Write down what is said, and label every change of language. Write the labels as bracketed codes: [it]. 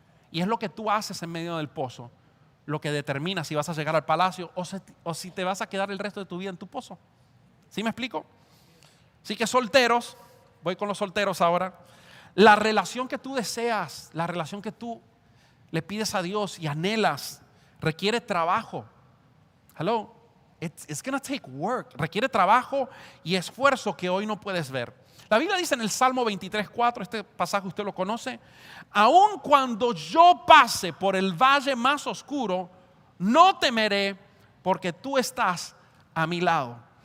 [es] Y es lo que tú haces en medio del pozo lo que determina si vas a llegar al palacio o si te vas a quedar el resto de tu vida en tu pozo. ¿Sí me explico? Así que solteros, voy con los solteros ahora. La relación que tú deseas, la relación que tú le pides a Dios y anhelas, requiere trabajo. [en] Hello, it's gonna take work. [es] Requiere trabajo y esfuerzo que hoy no puedes ver. La Biblia dice en el Salmo 23:4, este pasaje usted lo conoce, aun cuando yo pase por el valle más oscuro, no temeré porque tú estás a mi lado.